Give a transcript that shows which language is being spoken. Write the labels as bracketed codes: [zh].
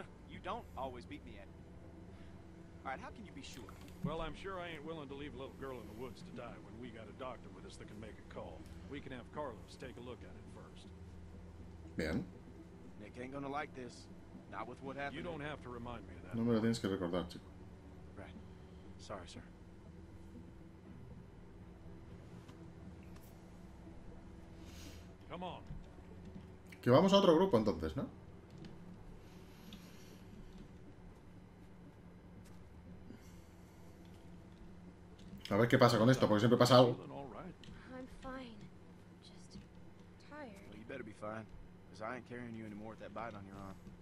[en] You don't always beat me at. All right, how can you be sure? Well, I'm sure I ain't willing to leave a little girl in the woods to die when we got a doctor with us that can make a call. We can have Carlos take a look at it first. [es] Bien. [en] Nick ain't gonna like this. Not with what happened. You don't have to remind me of that. [es] No me lo tienes que recordar, chico. [en] Right. Sorry, sir. Come on. [es] Que vamos a otro grupo entonces, ¿no? A ver qué pasa con esto, porque siempre pasa algo. [en] I'm fine. Just tired. Well, you better be fine, because I ain't carrying you anymore with that bite on your arm.